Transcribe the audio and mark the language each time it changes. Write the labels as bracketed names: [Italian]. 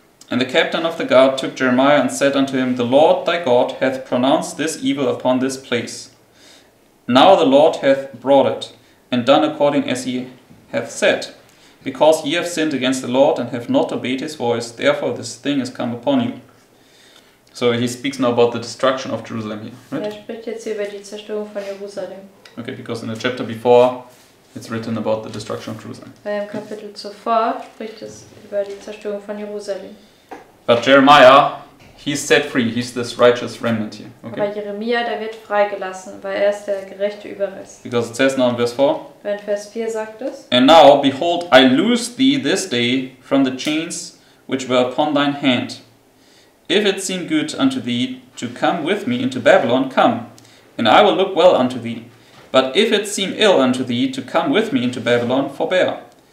[English] And the captain of the guard took Jeremiah and said unto him, the Lord thy God hath pronounced this evil upon this place. Now the Lord hath brought it, and done according as he hath said. Because ye have sinned against the Lord, and have not obeyed his voice, therefore this thing has come upon you. So he speaks now about the destruction of Jerusalem here, right? [German] Er spricht jetzt über die Zerstörung von Jerusalem. [English] Okay, because in the chapter before, it's written about the destruction of Jerusalem. [German] Weil im Kapitel zuvor spricht es über die Zerstörung von Jerusalem. [English] But Jeremiah, he's set free. He's this righteous remnant here. Okay. [German] Aber Jeremia, der wird freigelassen, weil ist der gerechte Überrest. [English] Because it says now in verse 4. [German] Weil in Vers 4 sagt es. [English] And now, behold, I loose thee this day from the chains which were upon thine hand. If it seem good unto thee to come with me into Babylon, come, and I will look well unto thee. But if it seem ill unto thee to come with me into Babylon, forbear.